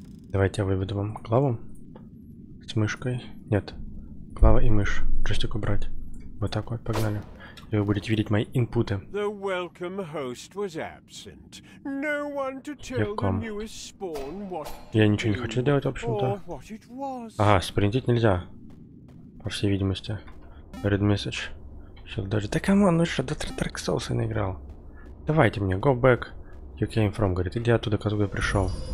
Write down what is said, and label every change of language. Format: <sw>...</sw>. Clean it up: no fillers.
<ru>Давайте я выведу вам клаву. С мышкой. Нет. Клава и мышь. Джойстик убрать. Вот так вот, погнали. И вы будете видеть мои инпуты.</ru> <en>The welcome host was absent. No one to tell the newest spawn what.</en> <ru>Я ничего не хочу делать, в общем-то. Ага, спринтить нельзя. По всей видимости.</ru> <en>Red message.</en> <ru>Сейчас даже. Да камон, ну что, до Dark Souls наиграл. Давайте мне,</ru> <en>go back. You came from,</en> <ru>говорит, иди оттуда, откуда я пришел.</ru>